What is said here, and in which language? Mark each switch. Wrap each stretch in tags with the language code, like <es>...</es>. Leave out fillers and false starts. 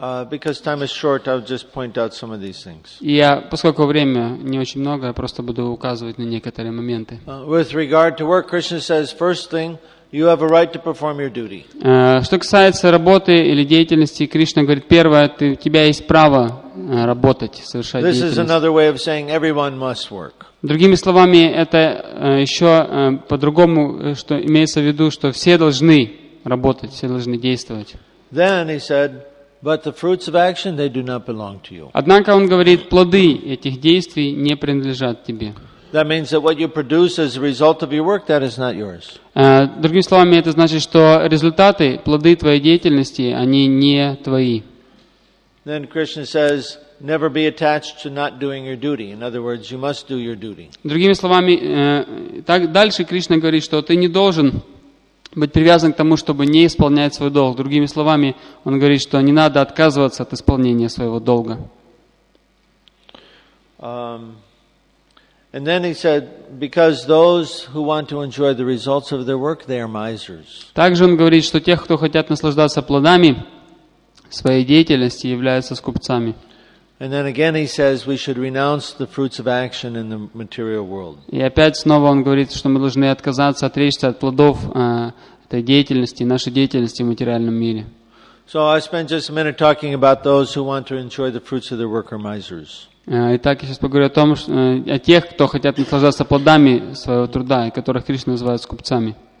<en>Because time is short, I'll just point out some of these things.</en> <ru>Я, поскольку время не очень много, я просто буду указывать на некоторые моменты.</ru> <en>With regard to work, Krishna says, first thing, you have a right to perform your duty.</en> <ru>Что касается работы или деятельности, Кришна говорит, первое, у тебя есть право работать, совершать деятельность.</ru> <en>This is another way of saying everyone must work.</en> <ru>Другими словами, это еще по-другому, что имеется в виду, что все должны работать, все должны действовать.</ru> <en>Then he said, but the fruits of action, they do not belong to you.</en> <ru>Однако он говорит, плоды этих действий не принадлежат тебе.</ru> <en>That means that what you produce as a result of your work, that is not yours.</en> <ru>Другими словами, это значит, что результаты, плоды твоей деятельности, они не твои.</ru> <en>Then Krishna says, never be attached to not doing your duty. In other words, you must do your duty.</en> <ru>Другими словами, дальше Кришна говорит, что ты не должен быть привязан к тому, чтобы не исполнять свой долг. Другими словами, он говорит, что не надо отказываться от исполнения своего долга.</ru> <en>And then he said, because those who want to enjoy the results of their work, they are misers.</en> <ru>Также он говорит, что те, кто хотят наслаждаться плодами своей деятельности, являются скупцами.</ru> <en>And then again he says, we should renounce the fruits of action in the material world.</en> <ru>И опять снова он говорит, что мы должны отказаться, отречься от плодов этой деятельности, нашей деятельности в материальном мире.</ru> <en>So I spent just a minute talking about those who want to enjoy the fruits of their work are misers.</en> <ru>Итак, я сейчас поговорю о том, о тех, кто хотят наслаждаться плодами своего труда, и которых Кришна называет скупцами.</ru>